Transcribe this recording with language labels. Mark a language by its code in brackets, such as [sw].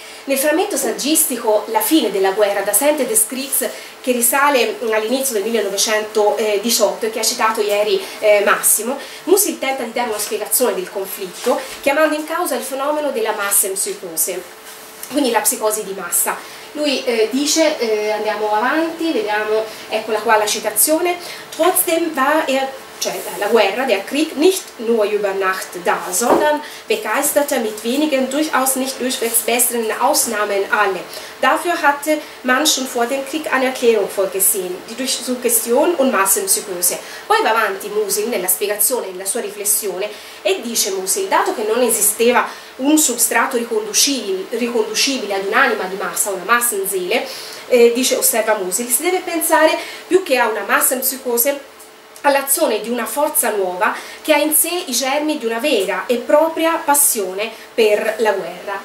[it] Nel frammento saggistico La fine della guerra, da Sainte Descrits, che risale all'inizio del 1918 e che ha citato ieri Massimo, Musil tenta di dare una spiegazione del conflitto chiamando in causa il fenomeno della Massenpsychose. Quindi la psicosi di massa. Lui dice, andiamo avanti, vediamo, eccola qua la citazione, [de] trotzdem war er [it] cioè la guerra, [de] der Krieg, nicht nur über Nacht da, sondern begeisterte mit wenigen, durchaus nicht durchwegs besseren Ausnahmen alle. Dafür hatte man schon vor dem Krieg eine Erklärung vorgesehen, die durch Suggestion und Massenpsychose. [it] Poi va avanti Musil nella spiegazione, nella sua riflessione, e dice Musil, dato che non esisteva un substrato riconducibile ad un'anima di massa, una Massenseele, dice, osserva Musil, si deve pensare più che a una Massenpsychose, all'azione di una forza nuova che ha in sé i germi di una vera e propria passione per la guerra.